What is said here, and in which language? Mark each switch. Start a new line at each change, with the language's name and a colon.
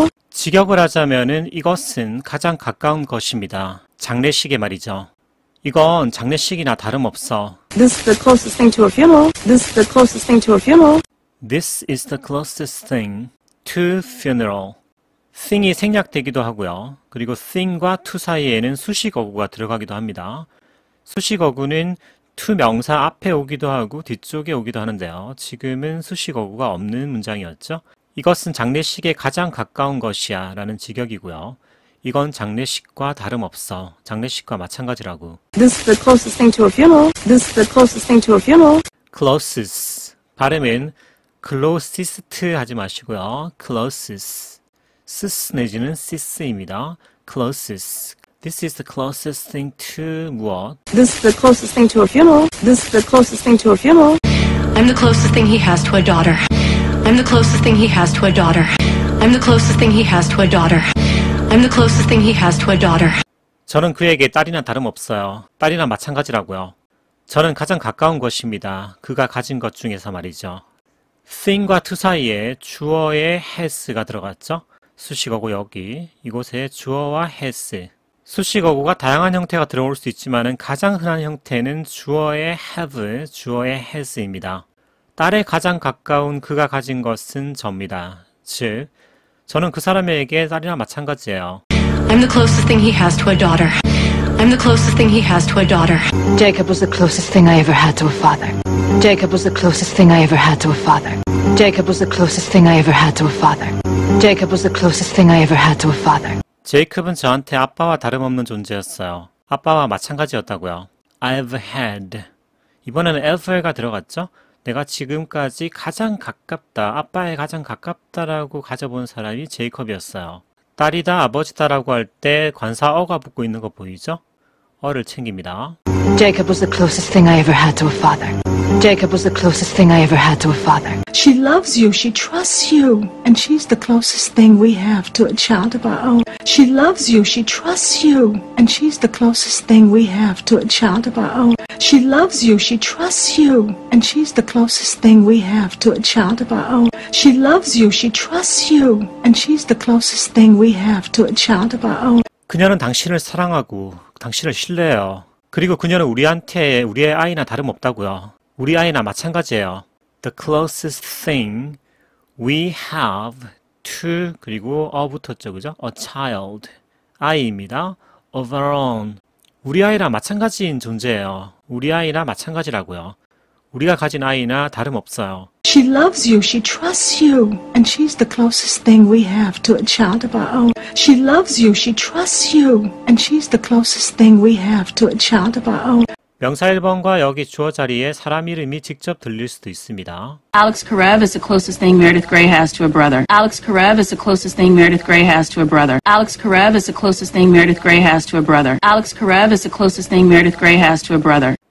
Korean: 직역을 하자면은 이것은 가장 가까운 것입니다. 장례식에 말이죠. 이건 장례식이나 다름없어.
English: This is the closest thing to a funeral. This is the closest thing to a funeral. This is the closest thing to funeral.
Korean: thing이 생략되기도 하고요. 그리고 thing과 to 사이에는 수식어구가 들어가기도 합니다. 수식어구는 to 명사 앞에 오기도 하고 뒤쪽에 오기도 하는데요. 지금은 수식어구가 없는 문장이었죠. 이것은 장례식에 가장 가까운 것이야 라는 직역이고요. 이건 장례식과 다름없어. 장례식과 마찬가지라고.
English: This is the closest thing to a funeral. This is the closest thing to a funeral. closest.
Korean: 발음은 closest 하지 마시고요.
English: closest.
Korean: s 내지는 sis입니다.
English: closest. This is the closest thing to
Korean: 무엇?
English: This is the closest thing to a funeral. This is the closest thing to a funeral. I'm the closest thing he has to a daughter. I'm the closest thing he has to a daughter. I'm the closest thing he has to a daughter. I'm the closest thing he has to a daughter.
Korean: 저는 그에게 딸이나 다름없어요. 딸이나 마찬가지라고요. 저는 가장 가까운 것입니다. 그가 가진 것 중에서 말이죠. thing과 to 사이에 주어의 has가 들어갔죠. 수식어고 여기 이곳에 주어와 has. 수식어구가 다양한 형태가 들어올 수 있지만 가장 흔한 형태는 주어의 have, 주어의 has입니다. 딸에 가장 가까운 그가 가진 것은 저입니다. 즉, 저는 그 사람에게 딸이나 마찬가지예요.
English: I'm the closest thing he has to a daughter. I'm the closest thing he has to a daughter. Jacob was the closest thing I ever had to a father. Jacob was the closest thing I ever had to a father. Jacob was the closest thing I ever had to a father. Jacob was the closest thing I ever had to a father.
Korean: 제이콥은 저한테 아빠와 다름없는 존재였어요. 아빠와 마찬가지였다고요.
English: I've had.
Korean: 이번에는 ever가 들어갔죠? 내가 지금까지 가장 가깝다, 아빠에 가장 가깝다라고 가져본 사람이 제이콥이었어요. 딸이다, 아버지다라고 할 때 관사 어가 붙고 있는 거 보이죠? 어를 챙깁니다.
English: Jacob was the closest thing I ever had to a father. Jacob was the closest thing I ever had to a father. She loves you, she trusts you, and she's the closest thing we have to a child of our own. She loves you, she trusts you, and she's the closest thing we have to a child of our own. She loves you, she trusts you, and she's the closest thing we have to a child of our own. She loves you, she trusts you, and she's the closest thing we have to a child of our own.
Korean: 그녀는 당신을 사랑하고 당신을 신뢰해요. 그리고 그녀는 우리한테 우리의 아이나 다름없다고요. 우리 아이나 마찬가지예요.
English: The closest thing we have to
Korean: 그리고 어 붙었죠, 그죠?
English: A child,
Korean: 아이입니다.
English: Of our own,
Korean: 우리 아이나 마찬가지인 존재예요. 우리 아이나 마찬가지라고요. 우리가 가진 아이나 다름없어요.
English: She loves you, she trusts you, and she's the closest thing we have to a child of our own. She loves you, she trusts you, and she's the closest thing we have to a child of our own.
Korean: 명사 1번과 여기 주어 자리에 사람 이름이 직접 들릴 수도 있습니다.
English: Alex Karev is the closest thing Meredith Grey has to a brother. Alex Karev is the closest thing Meredith Grey has to a brother. Alex Karev is the closest thing Meredith Grey has to a brother. Alex Karev is the closest thing Meredith Grey has to a brother.